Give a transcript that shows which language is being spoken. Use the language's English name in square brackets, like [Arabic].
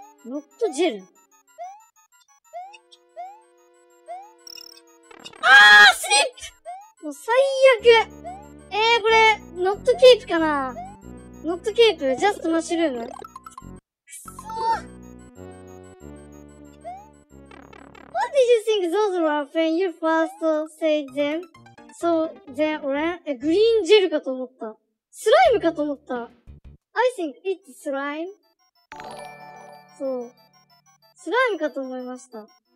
[English] ノットジェル。あー、スリップ！ [Japanese] もう最悪！これ、ノットケープかな？ノットケープ？ [English] ジャストマッシュルーム？ [Japanese] くそー！ [English] What did you think those were when you first said them? So, then, orange? [Japanese] え、グリーンジェルかと思った。スライムかと思った。 [English] I think it's slime. [Japanese] そう。スライムかと思いました。